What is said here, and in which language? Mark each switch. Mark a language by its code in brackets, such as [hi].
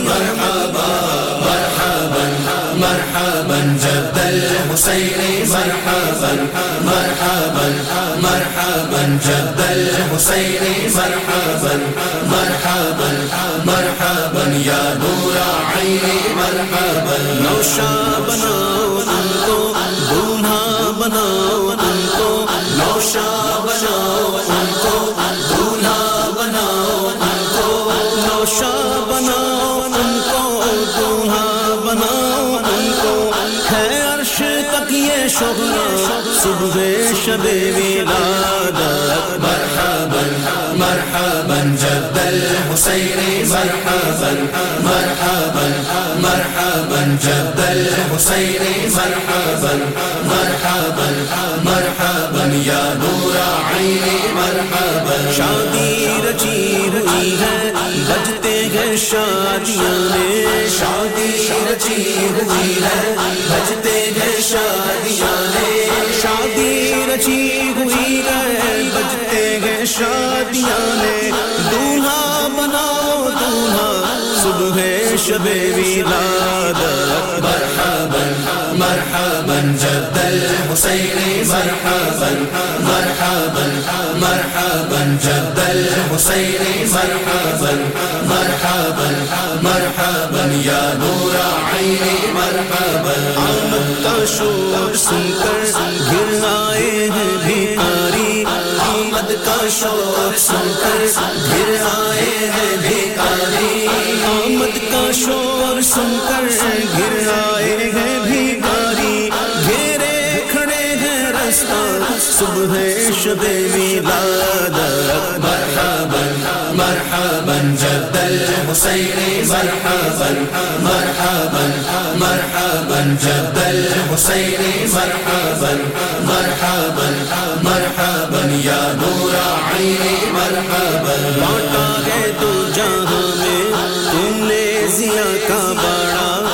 [ar] مرحبا مرحبا مرحبا جد الحسین مرحبا مرحبا مرحبا جد الحسین مرحبا مرحبا مرحبا يا نور عيني مرحبا [ur] نوشا بناؤ ان کو دولہا بناؤ ان کو نوشا بناؤ ان کو دولہا بناؤ ان کو نوشا بناؤ ان کو دولہا بناؤ ان کو ہے عرش تک یہ شہرا صبح شب ولادت [ar] مرحبا مرحبا جد الحسین مرحبا مرحبا مرحبا جد الحسین مرحبا مرحبا مرحبا يا نور عيني مرحبا [ur] شادی رچی ہوئی ہے بجتے ہیں شادیاں میں شادی رچی ہوئی ہے بجتے ہیں شادیاں میں شادی رچی ہوئی ہے بجتے ہیں شادیاں میں دولہا بناؤ دولہا صبح شب ولادت [ar] مرحبا مرحبا جد الحسین مرحبا مرحبا مرحبا جد الحسین مرحبا مرحبا مرحبا يا نور عيني مرحبا [ur] آمد کا شور سن کر گر آئے ہیں بھکاری آمد کا شور سن کر گر آئے ہیں بھکاری آمد کا شور سن کر گر آئے ہیں بھکاری گھیرے کھڑے ہیں رستہ صبح شب ولادت [ar] مرحبا مرحبا جد الحسین مرحبا مرحبا مرحبا جد الحسین مرحبا مرحبا مرحبا يا نور عيني مرحبا [ur] لوٹا ہے تو جہاں میں تم نے ضیا کا باڑا